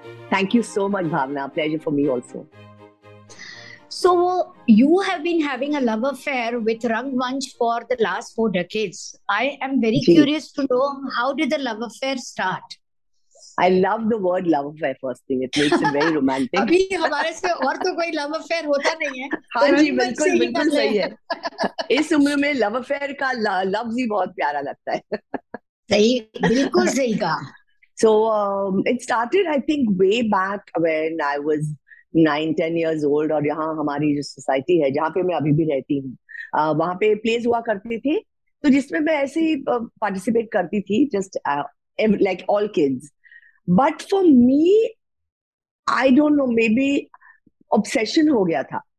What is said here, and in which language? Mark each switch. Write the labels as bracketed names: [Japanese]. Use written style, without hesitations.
[English] Thank you so much, Bhavna. Pleasure for me also. So, you have been having a love affair with Rangmanch for the last 4 decades. I am very curious to know, how did the love affair start? I love the word love affair, first thing. It makes it very romantic. [Hindi] अभी हमारे से और तो कोई love affair होता नहीं है. हाँ जी, बिल्कुल बिल्कुल सही है. इस उम्र में love affair का love ही बहुत प्यारा लगता है. सही, बिल्कुल सही कहा. [English] So it started, I think, way back when I was 9-10 years old. [Hindi] और यहाँ हमारी जो society है, जहाँ पे मैं अभी भी रहती हूँ, वहाँ पे plays हुआ करती थी, तो जिसमें मैं ऐसे ही participate करती थी, [English] just like all kids. But for me I don't know, maybe obsession [Hindi] हो गया था.